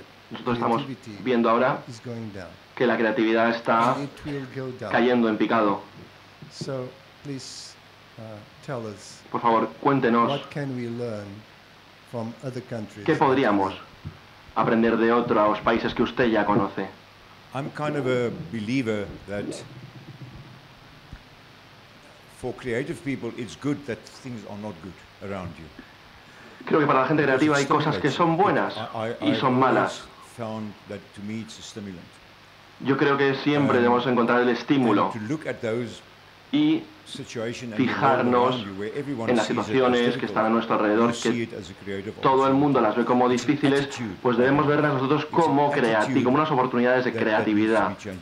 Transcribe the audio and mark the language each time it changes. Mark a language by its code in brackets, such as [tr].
[es] Nosotros estamos viendo ahora que la creatividad está cayendo en picado. Por favor, cuéntenos qué podríamos aprender de otros países que usted ya conoce. [en] I'm kind of a believer that for creative people it's good that things are not good around you. [es] Creo que para la gente creativa hay cosas que son buenas y son malas. [en] Found that to me it's a stimulant. [es] Yo creo que siempre debemos encontrar el estímulo. [en] To look at those [es] y fijarnos en las situaciones que están a nuestro alrededor, que todo el mundo las ve como difíciles, pues debemos verlas nosotros como creativos, como unas oportunidades de creatividad.